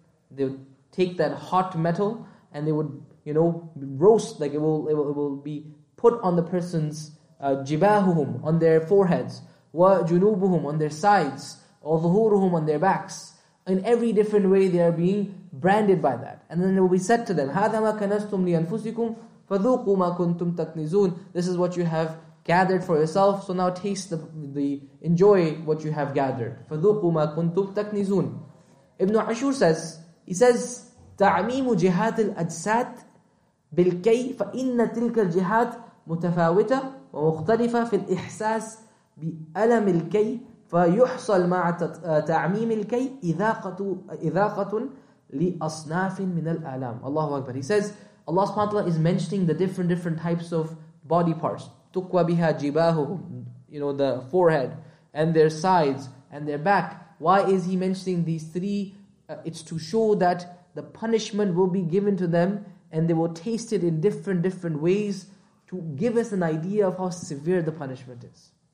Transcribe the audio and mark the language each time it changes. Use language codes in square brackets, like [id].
[en] They would take that hot metal and they would, you know, roast, like it will be put on the person's jibahuhum, on their foreheads, wa junubuhum, on their sides, or zuhuruhum, on their backs. In every different way they are being branded by that. And then it will be said to them, [ar] hadha ma kanastum li anfusikum fadhuqu ma kuntum taknizun. [en] This is what you have gathered for yourself, so now taste the enjoy what you have gathered. [ar] فَذُوقُوا مَا كُنْتُمْ تَكْنِزُونَ. [en] Ibn Ashur says, he says, [ar] تَعْمِيمُ جِهَاتِ الْأَجْسَاتِ بِالْكَيْ فَإِنَّ تِلْكَ الْجِهَاتِ مُتَفَاوِتَ وَمُخْتَلِفَ فِي الْإِحْسَاسِ بِأَلَمِ الْكَيْ فيحصل مع تعميم الكي إذاقة لأصناف من الآلام. الله أكبر. [en] He says, Allah subhanahu wa ta'ala is mentioning the different types of body parts. [ar] تُقْوَى بِهَا جِبَاهُهُمْ, [en] you know, the forehead and their sides and their back. Why is he mentioning these three? It's to show that the punishment will be given to them and they will taste it in different ways to give us an idea of how severe the punishment is.